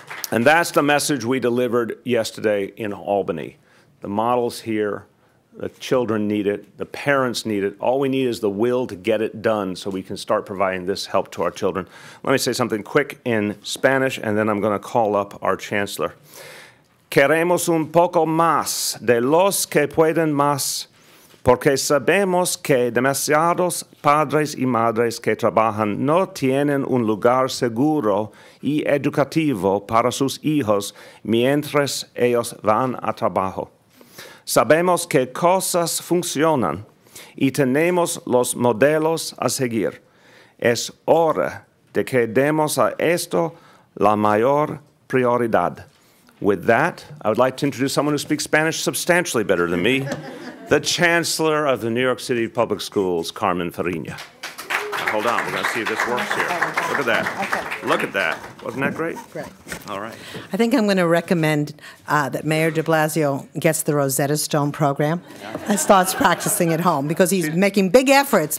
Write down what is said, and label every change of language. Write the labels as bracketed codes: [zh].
[en] And that's the message we delivered yesterday in Albany. The model's here. The children need it. The parents need it. All we need is the will to get it done so we can start providing this help to our children. Let me say something quick in Spanish, and then I'm going to call up our chancellor. [es] Queremos un poco más de los que pueden más, porque sabemos que demasiados padres y madres que trabajan no tienen un lugar seguro y educativo para sus hijos mientras ellos van a trabajo. Sabemos que cosas funcionan y tenemos los modelos a seguir. Es hora de que demos a esto la mayor prioridad. [en] With that, I would like to introduce someone who speaks Spanish substantially better than me, the Chancellor of the New York City Public Schools, Carmen Farina. Hold on, we're going to see if this works here. Look at that. Look at that. Wasn't that great? Great. All right. I think I'm going to recommend that Mayor de Blasio gets the Rosetta Stone program and starts practicing at home because he's making big efforts.